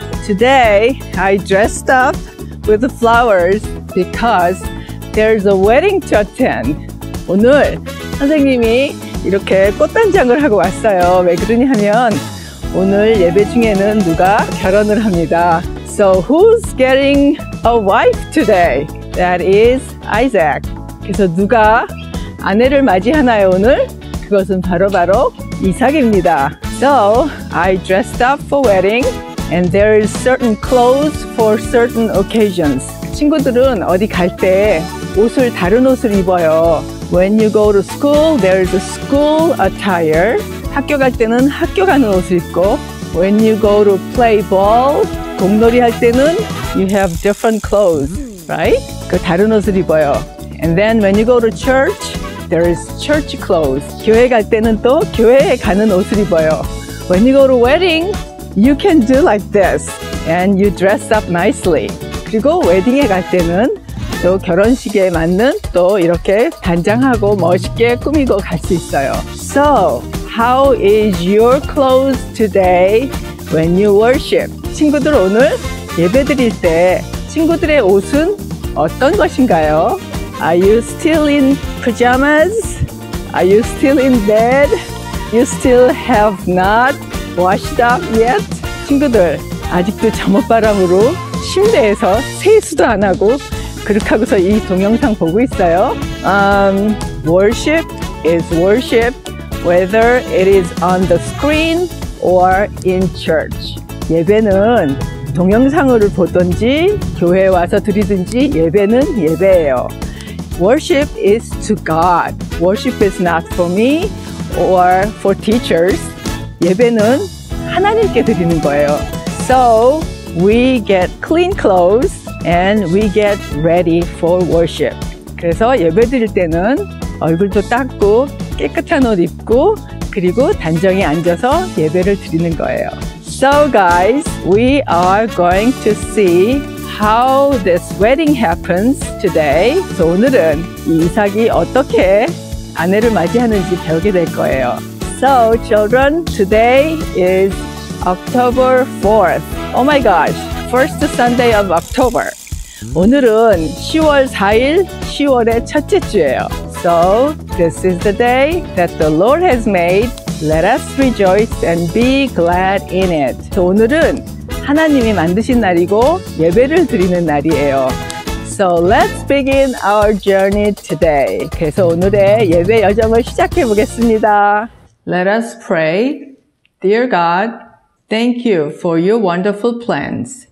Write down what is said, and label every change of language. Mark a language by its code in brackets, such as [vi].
[en] Today, I dressed up with flowers because there's a wedding to attend. [ko] 오늘 선생님이 이렇게 꽃단장을 하고 왔어요. 왜 그러냐면 오늘 예배 중에는 누가 결혼을 합니다. [en] So, who's getting a wife today? That is Isaac. [ko] 그래서 누가 아내를 맞이하나요 오늘? 그것은 바로 이삭입니다. [en] So, I dressed up for wedding and there is certain clothes for certain occasions. [ko] 친구들은 어디 갈 때 옷을 다른 옷을 입어요. [en] When you go to school, there is a school attire. [ko] 학교 갈 때는 학교 가는 옷을 입고 [en] When you go to play ball, [ko] 공놀이 할 때는 [en] you have different clothes, right? [ko] 그 다른 옷을 입어요. [en] And then when you go to church, there is church clothes. [ko] 교회 갈 때는 또 교회에 가는 옷을 입어요. [en] When you go to wedding, you can do like this. And you dress up nicely. [ko] 그리고 웨딩에 갈 때는 또 결혼식에 맞는 또 이렇게 단장하고 멋있게 꾸미고 갈 수 있어요. [en] So, how is your clothes today when you worship? [ko] 친구들 오늘 예배 드릴 때 친구들의 옷은 어떤 것인가요? [en] Are you still in pajamas? Are you still in bed? You still have not washed up yet? [ko] 친구들, 아직도 잠옷바람으로 침대에서 세수도 안 하고 그렇게 하고서 이 동영상 보고 있어요. [en] Worship is worship, whether it is on the screen or in church. [ko] 예배는 동영상으로 보든지 교회 와서 드리든지 예배는 예배예요. [en] Worship is to God. Worship is not for me or for teachers. [ko] 예배는 하나님께 드리는 거예요. [en] So, we get clean clothes and we get ready for worship. [ko] 그래서 예배 드릴 때는 얼굴도 닦고 깨끗한 옷 입고 그리고 단정히 앉아서 예배를 드리는 거예요. [en] So, guys, we are going to see how this wedding happens today. [ko] So 오늘은 이삭이 어떻게 아내를 맞이하는지 배우게 될 거예요. [en] So children, today is October 4th. Oh my gosh, first Sunday of October. [ko] 오늘은 10월 4일, 10월의 첫째 주예요. [en] So this is the day that the Lord has made. Let us rejoice and be glad in it. [ko] So 오늘은 하나님이 만드신 날이고 예배를 드리는 날이에요. [en] So let's begin our journey today. [ko] 그래서 오늘의 예배 여정을 시작해 보겠습니다. [en] Let us pray. Dear God, thank you for your wonderful plans.